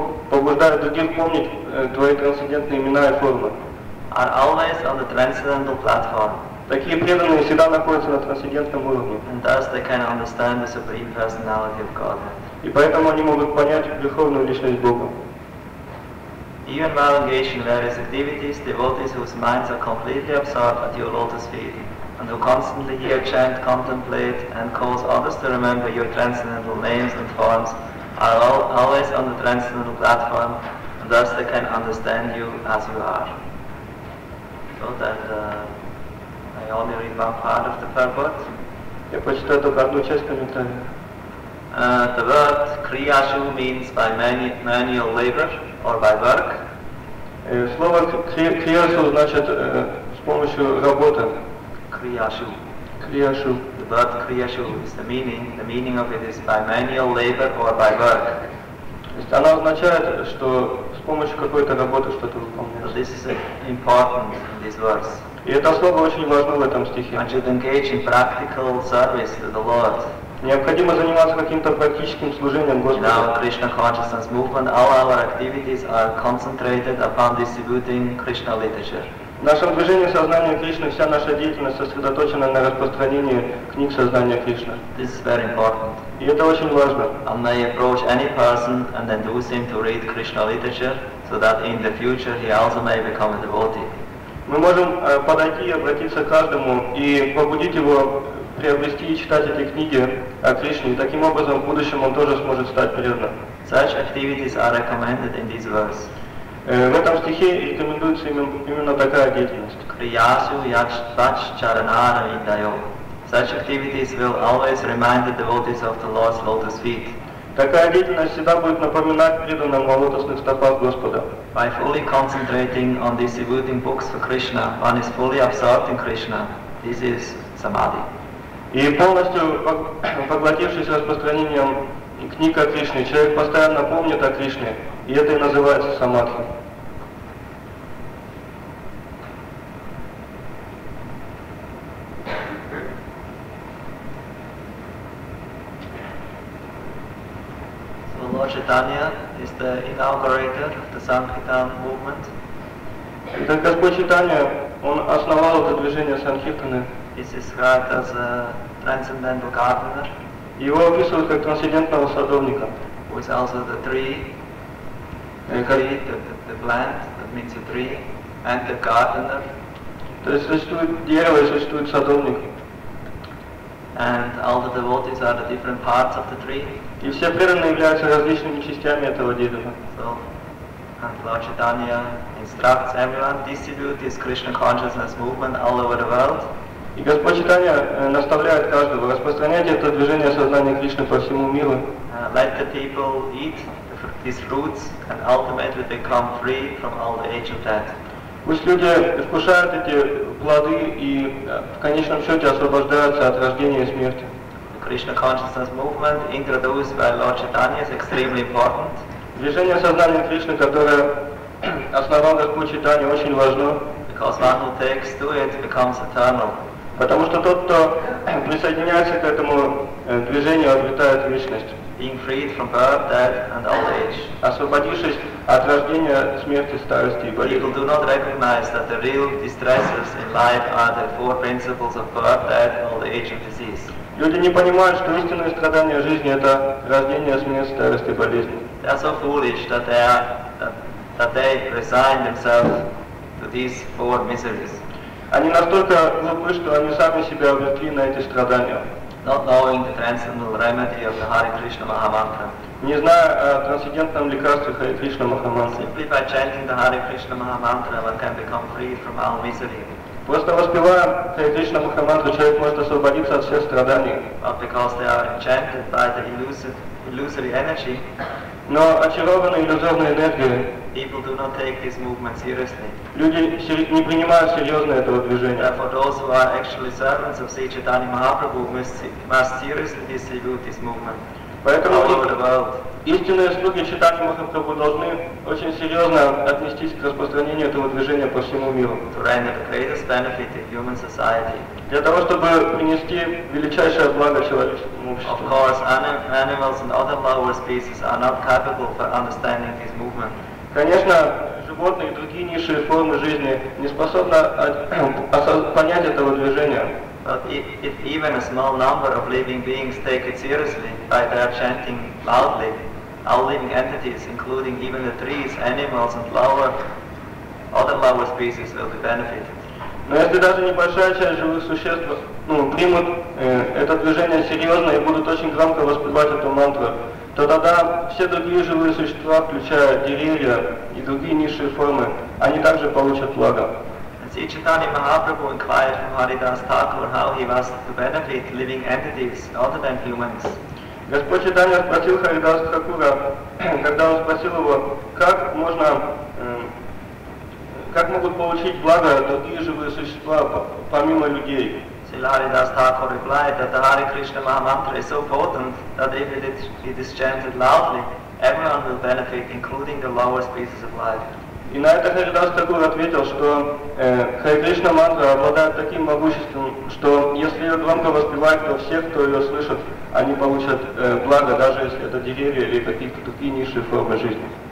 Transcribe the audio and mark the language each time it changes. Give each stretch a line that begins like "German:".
Russian: Побуждают других помнить твои трансцендентные имена и формы.
English: Are always on the transcendental platform.
Russian: Такие преданные всегда находятся на трансцендентном уровне.
English: And thus they can understand the supreme personality of Godhead.
Russian: И поэтому они могут понять верховную личность Бога.
English: Even while engaged in various activities, devotees whose minds are completely absorbed at your lotus feet, and who constantly hear, chant, contemplate, and cause others to remember your transcendental names and forms, are always on the transcendental platform, and thus they can understand you as you are. So that I only read one part of the purport.
Russian: Я прочитаю только одну часть комментария.
English: The word kriyashu means by manual labor or by work.
Russian: Слово kriyashu значит с помощью работы.
Sanskrit: Kriyashu. Kriyashu.
English: The word kriyashu is the meaning. The meaning of it is by manual labor or by work.
Russian: То есть она означает, что с помощью какой-то работы что-то выполняется.
English: This is important in this verse.
Russian: И это слово очень важно в этом стихе.
English: One should engage in practical service to the Lord.
Russian: Необходимо заниматься каким-то практическим служением Господу.
English: In our Krishna consciousness movement, all our activities are concentrated upon distributing Krishna literature.
Russian: В нашем движении сознания Кришны вся наша деятельность сосредоточена на распространении книг сознания Кришны.
English: This is very important.
Russian: И это очень важно.
English: And may approach any person and induce him to read Krishna literature, so that in the future he also may become a devotee.
Russian: Мы можем подойти и обратиться к каждому и побудить его приобрести и читать эти книги о Кришне, и таким образом в будущем он тоже сможет стать преданным.
English: Such activities are recommended in this verse.
Russian: В этом стихе рекомендуется именно такая деятельность.
Sanskrit: Kriyasu yachvach charanara vindayo.
English: Such activities will always remind the devotees of the Lord's lotus feet.
Russian: Такая деятельность всегда будет напоминать преданным о лотосных стопах Господа.
English: By fully concentrating on distributing books for Krishna, one is fully absorbed in Krishna. This is samadhi.
Russian: И полностью поглотившись распространением книг о Кришне, человек постоянно помнит о Кришне, и это и называется самадхи.
English: So Lord Chaitanya is the inaugurator of the Sankirtan movement.
Russian: Итак, Господь Чайтанья Он основал это движение Санкиртаны. Его описывают как трансцендентного садовника. То есть существует дерево и существует садовник.
English: And all the devotees are the different parts of the tree.
Russian: И все преданные являются различными частями этого дерева.
English: So, and Lord Chaitanya instructs everyone to distribute this Krishna consciousness movement all over the world.
Russian: И Господь Чайтанья наставляет каждого распространять это движение сознания Кришны по всему миру.
English: Let the people eat these roots and ultimately become free from all the age of death.
Russian: Пусть люди вкушают эти плоды и в конечном счете освобождаются от рождения и смерти.
English: Krishna consciousness movement introduced by Lord Chaitanya is extremely important.
Russian: Движение сознания Кришны, которое основал Господь Чайтанья, очень важно.
English: Because one who takes to it becomes eternal.
Russian: Потому что тот, кто присоединяется к этому движению, обретает вечность.
English: Being freed from birth, death, and old age.
Russian: Освободившись от рождения, смерти, старости и болезни.
English: People do not recognize that the real distresses in life are the four principles of birth, death, old age, and disease.
Russian: Люди не понимают, что истинное страдание жизни – это рождение, смерть, старость и болезни.
English: They are so foolish that they resign themselves to these four miseries.
Russian: Они настолько глупы, что они сами себя обрекли на эти страдания.
English: Not knowing the transcendental remedy of the Hare Krishna Mahamantra.
Russian: Не зная о трансцендентном лекарстве Hare Krishna Mahamantra.
English: Simply by chanting the Hare Krishna Mahamantra, one can become free from all misery.
Russian: Просто воспевая Hare Krishna Mahamantra, человек может освободиться от всех страданий.
English: But because they are enchanted by the illusory energy.
Russian: Но очарованные иллюзорной энергией.
English: People do not take this movement seriously.
Russian: Люди не принимают серьезно этого движения.
English: Therefore, those who are actually servants of Sri Chaitanya Mahaprabhu must seriously distribute this movement.
Russian: Поэтому
English: all over the world.
Russian: Истинные слуги Чайтаньи Махапрабху должны очень серьезно отнестись к распространению этого движения по всему миру.
English: To render the greatest benefit in human society.
Russian: Для того, чтобы принести величайшее благо человеческому обществу.
English: Of course, animals and other lower species are not capable for understanding this movement.
Russian: Конечно, животные и другие низшие формы жизни не способны понять этого движения.
English: But if even a small number of living beings take it seriously by their chanting loudly, all living entities, including even the trees, animals, and other lower species, will be benefited.
Russian: Но если даже небольшая часть живых существ примут это движение серьезно и будут очень громко воспевать эту мантру, то тогда все другие живые существа, включая деревья и другие низшие формы, они также получат благо.
English: Sri Chaitanya Mahaprabhu inquired from Haridas Thakur how he was to benefit living entities other than humans.
Russian: Господь Чайтанья спросил Харидас Такура, когда он спросил его, как можно, как могут получить благо другие живые существа помимо людей.
English: Sri Haridas Thakur replied that the Hare Krishna Mahamantra is so potent that if it is chanted loudly, everyone will benefit, including the lower species of life.
Russian: И на это Харидас Такур ответил, что Харе Кришна мантра обладает таким могуществом, что если ее громко воспевать, то все, кто ее слышит, они получат благо, даже если это деревья или какие-то такие низшие формы жизни.